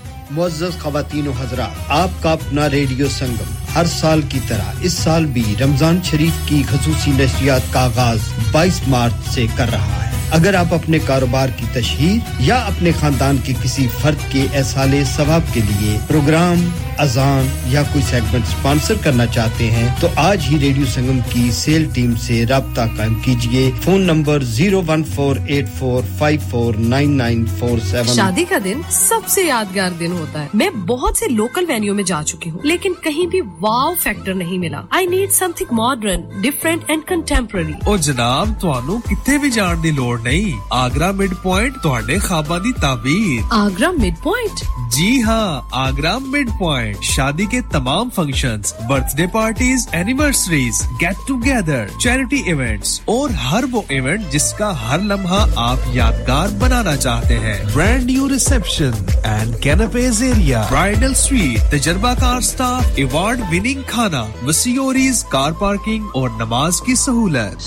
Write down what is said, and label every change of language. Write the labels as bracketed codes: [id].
[ur] معزز خواتین و حضرات آپ کا اپنا ریڈیو سنگم ہر سال کی طرح اس سال بھی رمضان شریف کی خصوصی نشریات کا آغاز 22 مارچ سے کر رہا ہے اگر آپ اپنے کاروبار کی تشہیر یا اپنے خاندان کے کسی فرد کے احصال ثواب کے لیے پروگرام اذان یا کوئی سیگمنٹ سپانسر کرنا چاہتے ہیں تو آج ہی ریڈیو سنگم کی سیل ٹیم سے رابطہ قائم کیجئے فون نمبر 01484549947 شادی کا دن سب سے یادگار دن ہوتا ہے میں بہت سے لوکل وینیو میں جا چکی ہوں لیکن کہیں بھی واو فیکٹر نہیں ملا [en] I need something modern different and contemporary [pa] او جناب توانو کتے بھی جان دی لوڑ نہیں آگرا مڈ پوائنٹ تہاڈے خواباں دی تعبیر [ur] آگرا مڈ پوائنٹ جی ہاں آگرا مڈ پوائنٹ شادی کے تمام functions birth day parties anniversaries get together charity events اور ہر وہ ایونٹ جس کا ہر لمحہ آپ یادگار بنانا چاہتے ہیں brand new reception and canapés area bridal sweet تجربہ کار سٹاف ایوارڈ وننگ کھانا مسیوریز کار پارکنگ اور نماز کی سہولت